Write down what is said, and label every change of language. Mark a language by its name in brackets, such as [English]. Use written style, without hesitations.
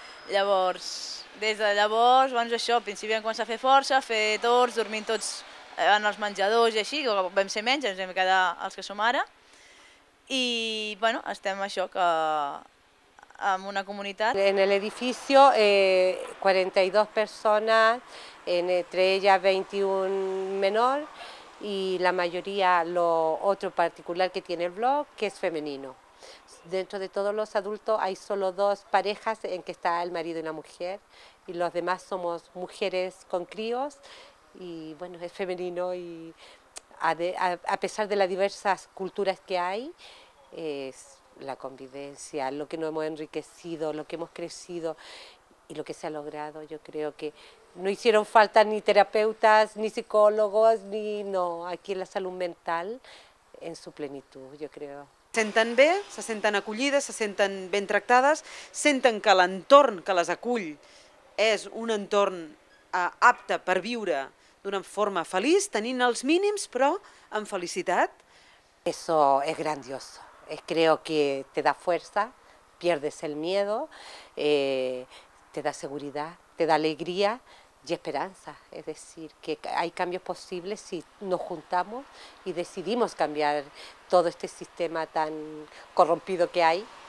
[Catalan] Llavors, des de llavors, doncs això, al principi vam començar a fer força, a fer tots, dormint tots en els menjadors i així, vam ser menys, ens vam quedar els que som ara. I bueno, estem això, que en una comunitat. [Spanish] En el edificio, 42 personas, entre ellas 21 menor, y la mayoría, lo otro particular que tiene el blog, que es femenino. Dentro de todos los adultos hay solo dos parejas en que está el marido y la mujer, y los demás somos mujeres con críos y bueno, es femenino y a pesar de las diversas culturas que hay, es la convivencia, lo que nos hemos enriquecido, lo que hemos crecido y lo que se ha logrado. Yo creo que no hicieron falta ni terapeutas, ni psicólogos, ni no, aquí en la salud mental en su plenitud, yo creo. [Catalan] Se senten bé, se senten acollides, se senten ben tractades, senten que l'entorn que les acull és un entorn apte per viure d'una forma feliç, tenint els mínims, però amb felicitat. [Spanish] Eso es grandioso. Creo que te da fuerza, pierdes el miedo, te da seguridad, te da alegría y esperanza. Es decir, que hay cambios posibles si nos juntamos y decidimos cambiar todo este sistema tan corrompido que hay.